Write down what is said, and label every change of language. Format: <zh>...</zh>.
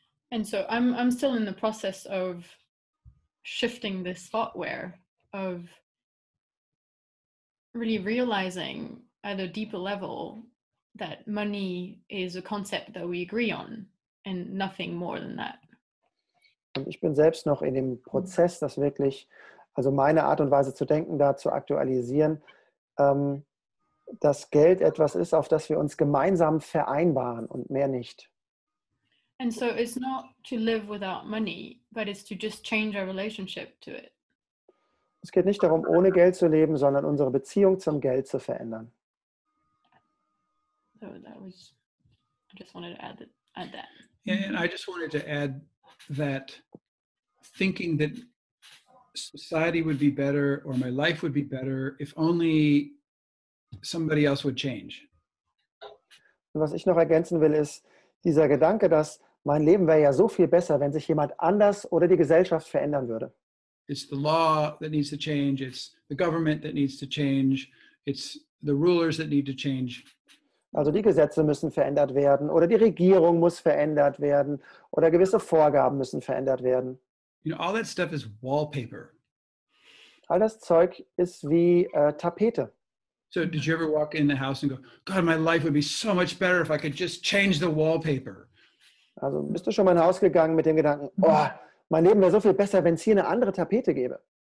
<en>And so I'm still in the process of shifting this thoughtware, of really realizing at a deeper level that money is a concept that we agree on and nothing more than that.</en> <de>Und ich bin selbst noch in dem Prozess, das wirklich, also meine Art und Weise zu denken, da zu aktualisieren, dass Geld etwas ist, auf das wir uns gemeinsam vereinbaren und mehr nicht.</de> <en>And so it's not to live without money, but it's to just change our relationship to it.</en> <de>Es geht nicht darum, ohne Geld zu leben, sondern unsere Beziehung zum Geld zu verändern.</de> <en>So that was, I just wanted to add that. Yeah, and I just wanted to add that thinking that society would be better or my life would be better if only somebody else would change.</en> <de>Und was ich noch ergänzen will, ist dieser Gedanke, dass mein Leben wäre ja so viel besser, wenn sich jemand anders oder die Gesellschaft verändern würde.</de> <en>It's the law that needs to change, it's the government that needs to change, it's the rulers that need to change.</en> <de>Also die Gesetze müssen verändert werden oder die Regierung muss verändert werden oder gewisse Vorgaben müssen verändert werden.</de> <en>You know, all that stuff is wallpaper.</en> <de>All das Zeug ist wie Tapete.</de> <en>So did you ever walk in the house and go, God, my life would be so much better if I could just change the wallpaper?</en> <de>Also bist du schon mal in ein Haus gegangen mit dem Gedanken, oh, mein Leben wäre so viel besser, wenn es hier eine andere Tapete gäbe.</de>